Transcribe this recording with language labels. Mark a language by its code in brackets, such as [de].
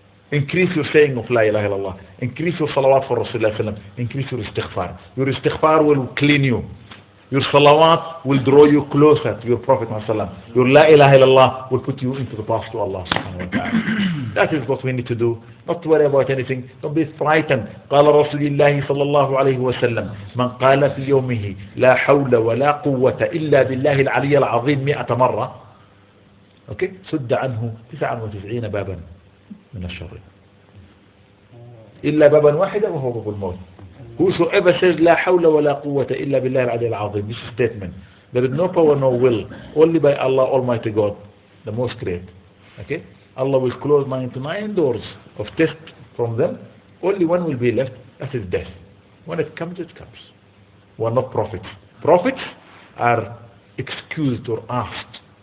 [en] Increase your saying of La ilaha illallah. Increase your salawat for Rasulullah sallam. Increase your istighfar. Your istighfar will clean you. Your salawat will draw you closer to your Prophet sallam. Your La ilaha illallah will put you into the path to Allah subhanahu wa ta'ala. That is what we need to do. Not to worry about anything. Don't be frightened. [ar] قال رسول الله صلى الله عليه وسلم من قال في يومه لا حول ولا قوة إلا بالله العلي العظيم [en] 100 times. Okay? [ar] سد عنه 99 بابا من الشر إلا بابا واحدا وهو باب الموت. [en] Whosoever says [ar] لا حول ولا قوة إلا بالله العلي العظيم. [en] This statement. There is no power, no will. Only by Allah, Almighty God, the most great. Okay? Allah will close 99 doors of test from them. Only one will be left. That is death. When it comes, it comes. We are not prophets. Prophets are excused or asked.